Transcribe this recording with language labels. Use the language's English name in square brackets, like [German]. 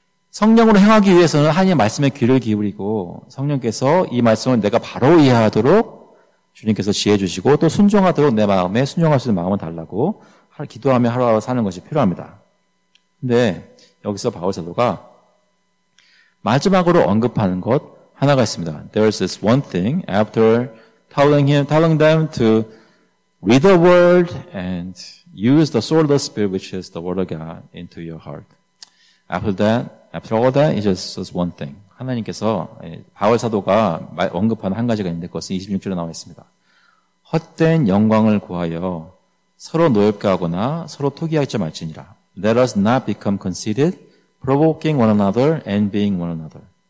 [Korean] 성령으로 행하기 위해서는 하나님의 말씀에 귀를 기울이고 성령께서 이 말씀을 내가 바로 이해하도록 주님께서 지혜 주시고 또 순종하도록 내 마음에 순종할 수 있는 마음을 달라고 기도하며 하루하루 사는 것이 필요합니다. 그런데 여기서 바울 사도가 마지막으로 언급하는 것 하나가 있습니다. [English] There is this one thing after telling them to read the word and use the sword of the spirit which is the word of God into your heart. After all that, it's just one thing. [Korean] 하나님께서 바울 사도가 언급한 한 가지가 있는데 그것은 26절에 나와 있습니다. 헛된 영광을 구하여 서로 노엽게 하거나 서로 투기하지 말지니라. [English] Let us not become conceited, provoking one another, envying one another.